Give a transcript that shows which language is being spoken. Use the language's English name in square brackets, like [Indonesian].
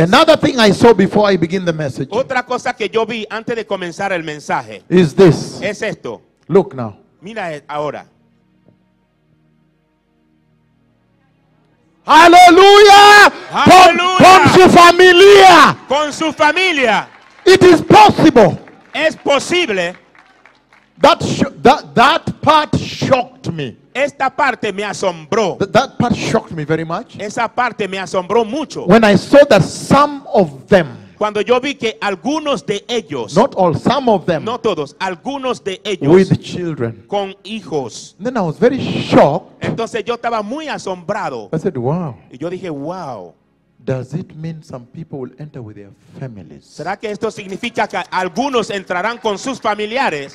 [English] another thing I saw before I begin the message. [Spanish] Otra cosa que yo vi antes de comenzar el mensaje. [English] Is this? [Spanish] Es esto. [English] Look now. [Spanish] Mira ahora. Hallelujah! Hallelujah! Con su familia. Con su familia. [English] It is possible. [Spanish] Es posible. [English] That part shocked me. [Spanish] Esta parte me asombró. [English] That part shocked me very much. [Spanish] Esa parte me asombró mucho. [English] When I saw that some of them. [Spanish] Cuando yo vi que algunos de ellos. [English] Not all, some of them. [Spanish] No todos, algunos de ellos. [English] With children. [Spanish] Con hijos. [English] Then I was very shocked. [Spanish] Entonces yo estaba muy asombrado. [English] I said, wow. [Spanish] Y yo dije, wow. [English] Does it mean some people will enter with their families? [Spanish] ¿Será que esto significa que algunos entrarán con sus familiares?